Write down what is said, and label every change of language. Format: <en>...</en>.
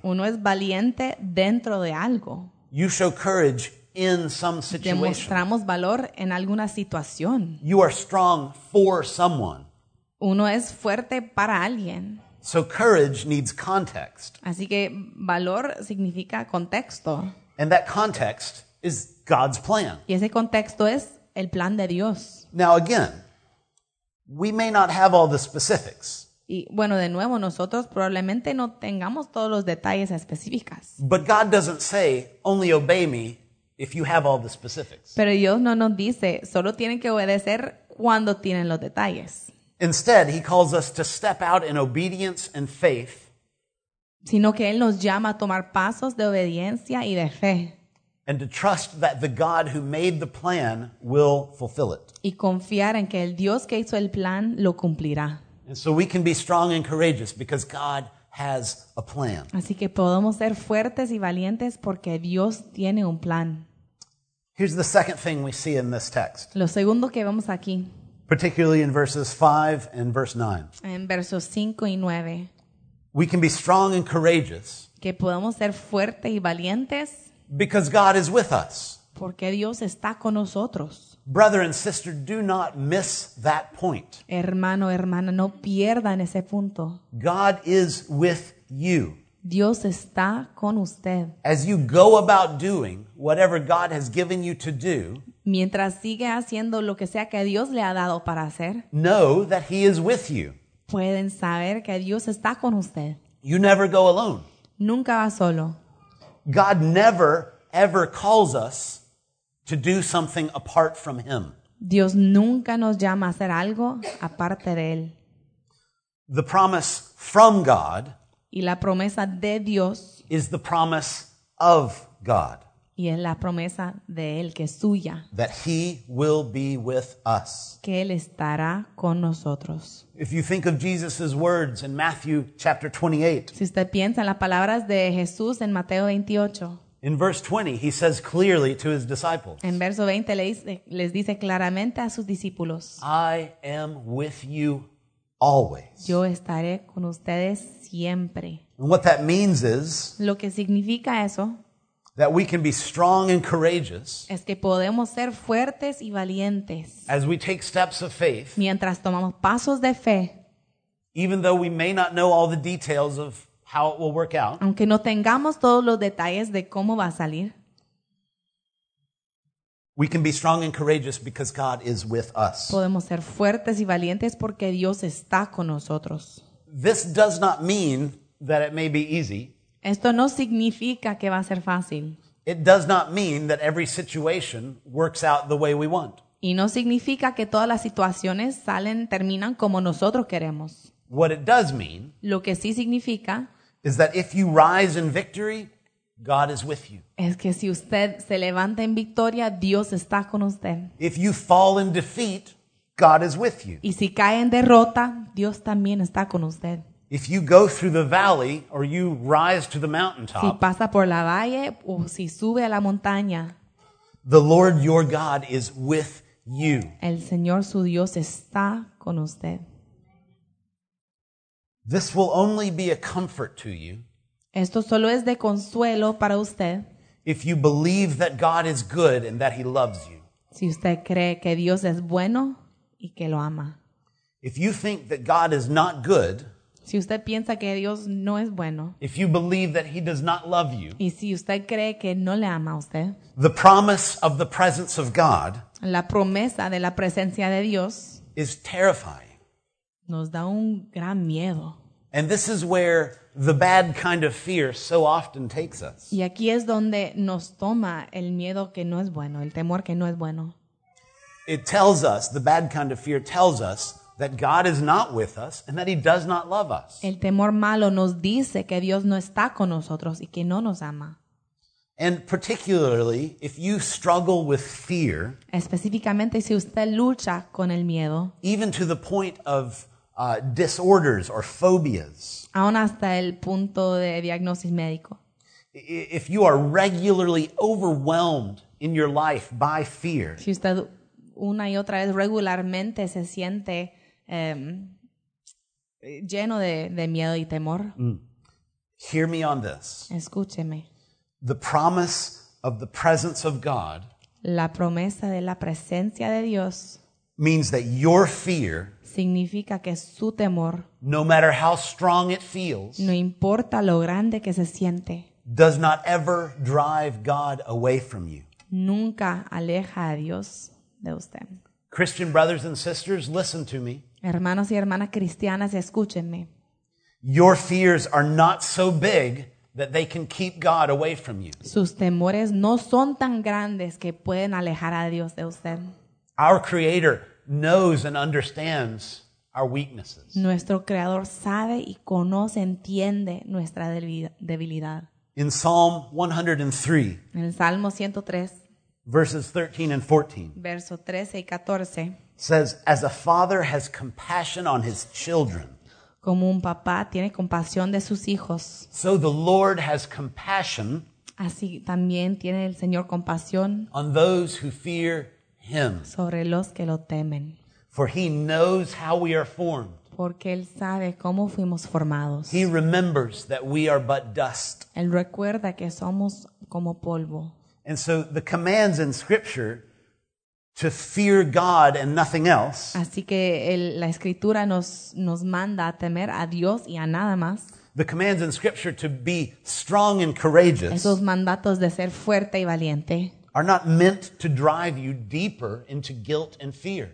<es>Uno es valiente dentro de algo.</es> <en>You show courage in some situation.</en> <es>Demostramos valor en alguna situación.</es> <en>You are strong for someone.</en> <es>Uno es fuerte para alguien.</es> <en>So courage needs context.</en> <es>Así que valor significa contexto.</es> <en>And that context is God's plan.</en> <es>Y ese contexto es el plan de Dios.</es> <en>Now again, we may not have all the specifics.</en> <es>Y bueno, de nuevo, nosotros probablemente no tengamos todos los detalles específicos.</es> <en>But God doesn't say, only obey me if you have all the specifics.</en> <es>Pero Dios no nos dice, solo tienen que obedecer cuando tienen los detalles.</es> <en>Instead, he calls us to step out in obedience and faith.</en> <es>Sino que él nos llama a tomar pasos de obediencia y de fe.</es> <en>And to trust that the God who made the plan will fulfill it.</en> <es>Y confiar en que el Dios que hizo el plan lo cumplirá.</es> <en>And so we can be strong and courageous because God has a plan.</en> <es>Así que podemos ser fuertes y valientes porque Dios tiene un plan.</es> <en>Here's the second thing we see in this text.</en> <es>Lo segundo que vemos aquí.</es> <en>Particularly in verses 5 and verse 9.</en> <es>En versos 5 y 9.</es> <en>We can be strong and courageous.</en> <es>Que podemos ser fuertes y valientes.</es> <en>Because God is with us.</en> <es>Porque Dios está con nosotros.</es> <en>Brother and sister, do not miss that point.</en> <es>Hermano, hermana, no pierdan ese punto.</es> <en>God is with you.</en> <es>Dios está con usted.</es> <en>As you go about doing whatever God has given you to do,</en> <es>mientras sigue haciendo lo que sea que Dios le ha dado para hacer,</es> <en>know that he is with you.</en> <es>Pueden saber que Dios está con usted.</es> <en>You never go alone.</en> <es>Nunca va solo.</es> <en>God never, ever calls us to do something apart from him.</en> <es>Dios nunca nos llama a hacer algo aparte de él.</es> <en>The promise from God.</en> <es>Y la promesa de Dios</es> <en>is the promise of God.</en> <es>Y es la promesa de él que es suya.</es> <en>That he will be with us.</en> <es>Que él estará con nosotros.</es> <en>If you think of Jesus' words in Matthew chapter 28.</en> <es>Si usted piensa en las palabras de Jesús en Mateo 28.</es> <en>In verse 20, he says clearly to his disciples.</en> <es>En verso 20 les dice claramente a sus discípulos.</es> <en>I am with you always.</en> <es>Yo estaré con ustedes siempre.</es> <en>And what that means is,</en> <es>lo que significa eso,</es> <en>that we can be strong and courageous,</en> <es>es que podemos ser fuertes y valientes,</es> <en>as we take steps of faith,</en> <es>mientras tomamos pasos de fe,</es> <en>even though we may not know all the details of how it will work out.</en> <es>Aunque no tengamos todos los detalles de cómo va a salir.</es> <en>We can be strong and courageous because God is with us.</en> <es>Podemos ser fuertes y valientes porque Dios está con nosotros.</es> <en>This does not mean that it may be easy.</en> <es>Esto no significa que va a ser fácil.</es> <en>It does not mean that every situation works out the way we want.</en> <es>Y no significa que todas las situaciones salen, terminan como nosotros queremos.</es> <en>What it does mean,</en> <es>lo que sí significa,</es> <en>is that if you rise in victory, God is with you.</en> <es>Es que si usted se levanta en victoria, Dios está con usted.</es> <en>If you fall in defeat, God is with you.</en> <es>Y si cae en derrota, Dios también está con usted.</es> <en>If you go through the valley or you rise to the mountaintop,</en> <es>si pasa por la valle o si sube a la montaña,</es> <en>the Lord your God is with you.</en> <es>El Señor su Dios está con usted.</es> <en>This will only be a comfort to you.</en> <es>Esto solo es de consuelo para usted.</es> <en>If you believe that God is good and that he loves you.</en> <es>Si usted cree que Dios es bueno y que lo ama.</es> <en>If you think that God is not good.</en> <es>Si usted piensa que Dios no es bueno.</es> <en>If you believe that he does not love you.</en> <es>Y si usted cree que no le ama a usted.</es> <en>The promise of the presence of God.</en> <es>La promesa de la presencia de Dios.</es> <en>Is terrifying.</en> <es>Nos da un gran miedo.</es> <en>And this is where the bad kind of fear so often takes us.</en> <es>Y aquí es donde nos toma el miedo que no es bueno, el temor que no es bueno.</es> <en>It tells us, the bad kind of fear tells us, that God is not with us and that he does not love us.</en> <es>El temor malo nos dice que Dios no está con nosotros y que no nos ama.</es> <en>And particularly, if you struggle with fear,</en> <es>específicamente si usted lucha con el miedo,</es> <en>even to the point of disorders or phobias.</en> <es>Aún hasta el punto de diagnosis médico.</es> <en>If you are regularly overwhelmed in your life by fear.</en> <es>Si usted una y otra vez regularmente se siente lleno de miedo y temor.</es> <en>Hear me on this.</en> <es>Escúcheme.</es> <en>The promise of the presence of God.</en> <es>La promesa de la presencia de Dios.</es> <en>Means that your fear.</en> <es>Significa que su temor,</es> <en>no matter how strong it feels,</en> <es>no importa lo grande que se siente,</es> <en>does not ever drive God away from you.</en> <es>Nunca aleja a Dios de usted.</es> <en>Christian brothers and sisters, listen to me.</en> <es>Hermanos y hermanas cristianas, escúchenme.</es> <en>Your fears are not so big that they can keep God away from you.</en> <es>Sus temores no son tan grandes que pueden alejar a Dios de usted.</es> <en>Our Creator knows and understands our weaknesses.</en> <es>Nuestro creador sabe y conoce, entiende nuestra debilidad.</es> <en>In Psalm 103,</en> <es>en el Salmo 103,</es> <en>verses 13 and 14,</en> <es>verso 13 y 14,</es> <en>says, as a father has compassion on his children,</en> <es>como un papá tiene compasión de sus hijos,</es> <en>so the Lord has compassion,</en> <es>así también tiene el Señor compasión,</es> <en>on those who fear him.</en> <es>Sobre los que lo temen.</es> <en>For he knows how we are formed.</en> <es>Porque él sabe cómo fuimos formados.</es> <en>He remembers that we are but dust.</en> <es>Él recuerda que somos como polvo.</es> <en>And so the commands in scripture to fear God and nothing else.</en> <es>Así que la escritura nos manda a temer a Dios y a nada más.</es> <en>The commands in scripture to be strong and courageous.</en> <es>Esos mandatos de ser fuerte y valiente.</es> <en>Are not meant to drive you deeper into guilt and fear.</en>